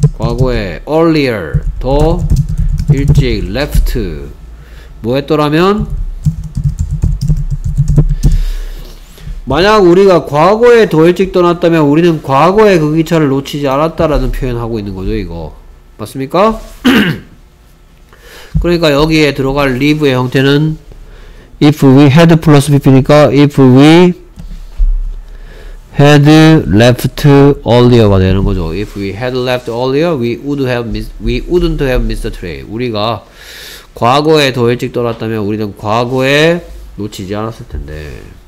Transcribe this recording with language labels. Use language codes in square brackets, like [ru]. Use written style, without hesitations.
[ko] 과거에 earlier 더 일찍 left 뭐 했더라면 만약 우리가 과거에 더 일찍 떠났다면 우리는 과거에 그 기차를 놓치지 않았다라는 표현하고 있는 거죠. 이거 맞습니까? 그러니까 여기에 들어갈 leave의 형태는 if we had plus bp니까 [en] if we had left earlier [ko] 가 되는 거죠. [en] If we had left earlier, we wouldn't have missed the train. [ko] 우리가 과거에 더 일찍 떠났다면 우리는 과거에 놓치지 않았을 텐데.